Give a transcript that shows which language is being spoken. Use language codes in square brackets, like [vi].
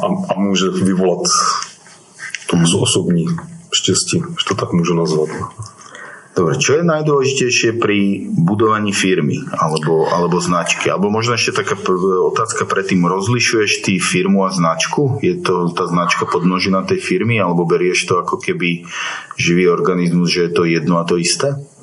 [cs] A může vyvolat to z osobní štěstí, že to tak můžu nazvat. [sk] Dobre, čo je najdôležitejšie pri budovaní firmy alebo značky? Alebo možno ešte taká otázka predtým, rozlišuješ ty firmu a značku? Je to tá značka podmnožina tej firmy alebo berieš to ako keby živý organizmus, že je to jedno a to isté?